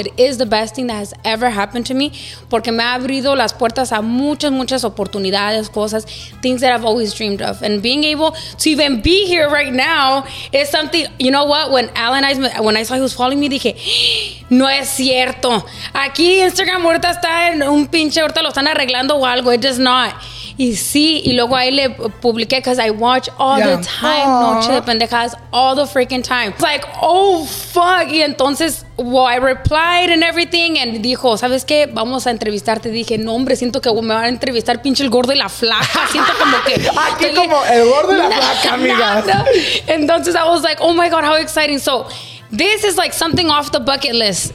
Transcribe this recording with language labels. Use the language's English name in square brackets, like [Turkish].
[English] It is the best thing that has ever happened to me. [Spanish] Porque me ha abrido las puertas a muchas, muchas oportunidades, cosas, [English] things that I've always dreamed of. And being able to even be here right now is something, you know what? When Alan and I, when I saw he was following me, [Spanish] dije, no es cierto. Aquí Instagram ahorita está en un pinche, ahorita lo están arreglando o algo. [English] It does not. [Spanish] Y sí, y luego ahí le publiqué [English] because I watch all yeah. the time. Aww. Noche de Pendejas, all the freaking time. It's like, oh, fuck. [Spanish] Y entonces, [English] well, I replied and everything and [Spanish] dijo, ¿sabes qué? Vamos a entrevistarte. Dije, no, hombre, siento que me van a entrevistar pinche el gordo y la flaca. Siento como que... aquí como el gordo y la flaca, amigas. Entonces, [English] I was like, oh, my God, how exciting. So, This is like something off the bucket list.